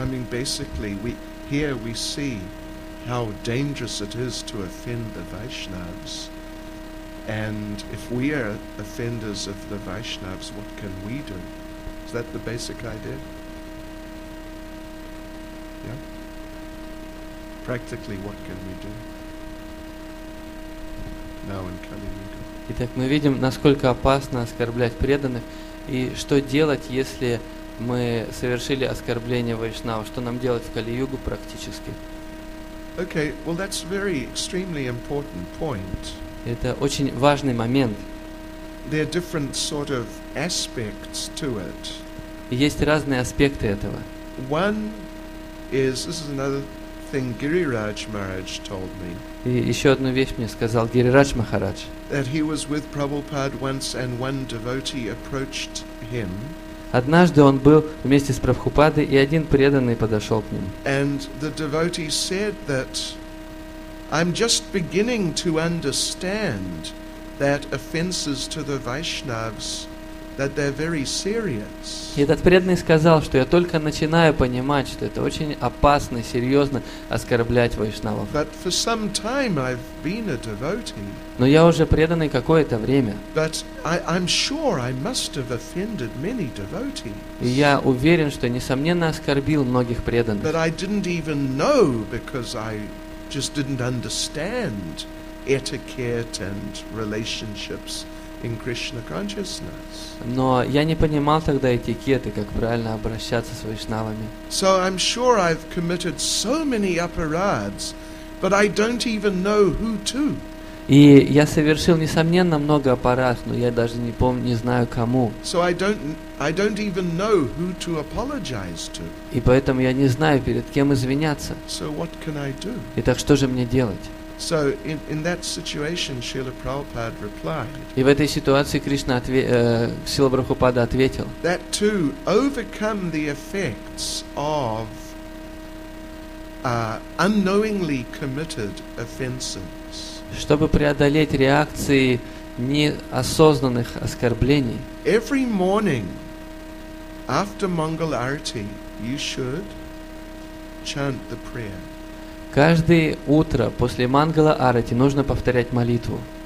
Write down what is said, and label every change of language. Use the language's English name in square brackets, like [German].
[English] Basically, we see how dangerous it is to offend the Vaishnavas. And if we are offenders of the Vaishnavas, what can we do? Is that the basic idea? Yeah? Practically, what can we do? Now in Kali Yuga. [Russian] Итак, мы видим, насколько опасно оскорблять преданных, и что делать, если мы совершили оскорбление вайшнава. Что нам делать в Кали-югу практически? [English] Okay, well, that's very extremely important point. [Russian] Это очень важный момент. [English] There are different sort of aspects to it. [Russian] Есть разные аспекты этого. [English] One is, this is another thing Гирирадж Махарадж told me. [Russian] И еще одну вещь мне сказал Гирирадж Махарадж. [English] That he was with Prabhupada once and one devotee approached him. [Russian] Однажды он был вместе с Прабхупадой, и один преданный подошел к ним. [English] And the devotee said that I'm just beginning to understand that offenses to the Vaishnavas, that they're very serious. [Russian] И этот преданный сказал, что я только начинаю понимать, что это очень опасно, серьезно оскорблять вайшнавов. [English] But for some time I've been a devotee. [Russian] Но я уже преданный какое-то время. [English] But I'm sure I must have offended many devotees. [Russian] И я уверен, что несомненно оскорбил многих преданных. [English] But I didn't even know because I just didn't understand etiquette and relationships in Krishna consciousness. [Russian] Но я не понимал тогда этикеты, как правильно обращаться с вайшнавами. [English] So I'm sure I've committed so many aparads, but I don't even know who to. [Russian] И я совершил несомненно много аппарат, но я даже не помню, не знаю кому. [English] So I don't even know who to apologize to. [Russian] И поэтому я не знаю, перед кем извиняться. [English] So what can I do? [Russian] Итак, что же мне делать? [English] So in that situation, Srila Prabhupada replied. [Russian] И в этой ситуации Кришна Сила Прабхупада ответил. [English] That to overcome the effects of unknowingly committed offenses. [Russian] Чтобы преодолеть реакции неосознанных оскорблений. [English] Every morning, after Mangal Arati, you should chant the prayer. [Russian] Каждое утро после Мангала Арати нужно повторять молитву.